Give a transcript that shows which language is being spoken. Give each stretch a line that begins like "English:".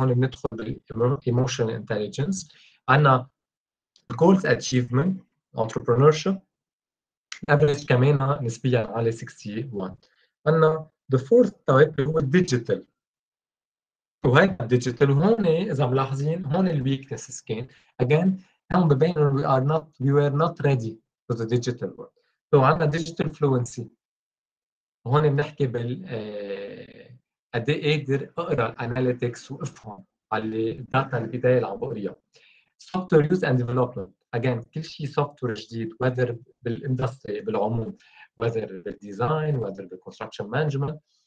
Arabic: هون بندخل بال emotional intelligence. عندنا
English: goals achievement,
Arabic: entrepreneurship. average كمان نسبيا على 61. عندنا the fourth type هو digital. وهي digital هون إذا ملاحظين هون
English: the weaknesses
Arabic: كان.
English: again
Arabic: هم ببينوا
English: we were not ready for the digital world. so عندنا digital fluency.
Arabic: وهون بنحكي بال قد ايه قادر اقرا الاناليتكس وافهم على الداتا البدايه اللي عم بقريها.
English: software use and development,
Arabic: اجين كل شيء سوفت وير جديد وذر بالاندستري بالعموم, وذر بالديزاين, وذر بالكونستراكشن مانجمنت.